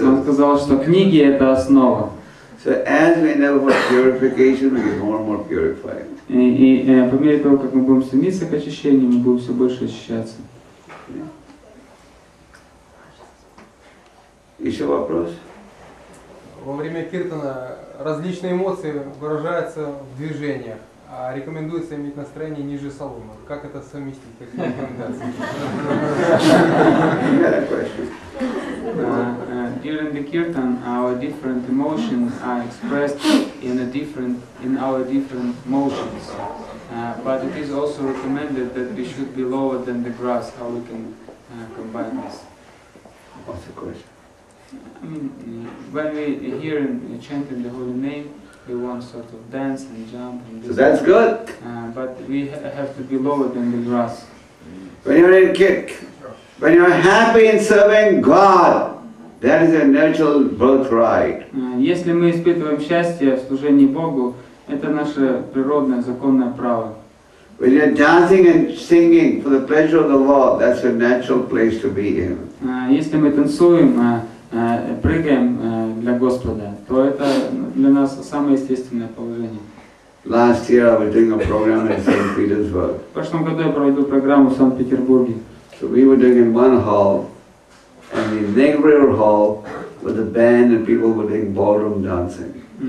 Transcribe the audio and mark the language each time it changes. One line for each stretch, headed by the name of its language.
Russian: Он сказал, что книги — это основа.
English: So as we know for purification, we get more and more purified.
Russian: И по мере того, как мы будем стремиться к очищению, мы будем все больше очищаться. Еще вопрос? Во время киртана различные эмоции выражаются в движениях, а рекомендуется иметь настроение ниже соломы. Как это совместить? Какие рекомендации?
English: During the kirtan, our different emotions are expressed in our different motions. But it is also recommended that we should be lower than the grass. How we can combine this? What's the question? I mean, when we hear and chant in the holy name, we want sort of dance and jump. And so that's good. But we have to be lower than the grass. When you're happy in serving God, that is a natural birthright.
Russian: Если мы испытываем счастье в служении Богу, это наше природное законное право.
English: When you're dancing and singing for the pleasure of the Lord, that's a natural place to be in.
Russian: Если мы танцуем прыгаем для Господа, то это для нас самое естественное положение.
English: Last year I was doing a program in St. Petersburg.
Russian: В прошлом году я проводил программу в Санкт-Петербурге.
English: So we were doing in one hall, and in the next river hall with a band and people were doing ballroom dancing.